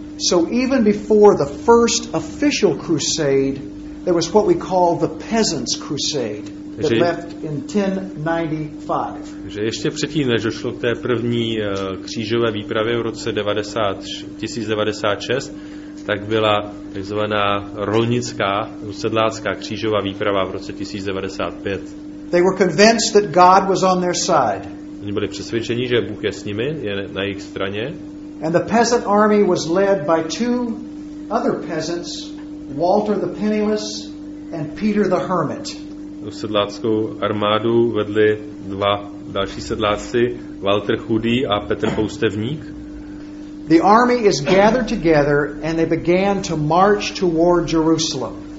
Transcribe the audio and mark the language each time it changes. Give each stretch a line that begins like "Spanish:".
English: So even before the first official crusade, there was what we call the peasants' crusade. That left in 1095.
Czech: Že ještě předtím, než došlo k té první křížové výpravě v roce 1096, tak byla takzvaná rolnická, sedlácká křížová výprava v roce 1095.
English: They were convinced that God was on their side.
Czech: Oni byli přesvědčeni, že Bůh je s nimi, je na jejich straně.
English: And the peasant army was led by two other peasants, Walter the Penniless and Peter the Hermit.
Czech: Sedláckou armádu vedli dva další sedláci, Walter Chudý a Petr Poustevník.
English: The army is gathered together and they began to march toward Jerusalem.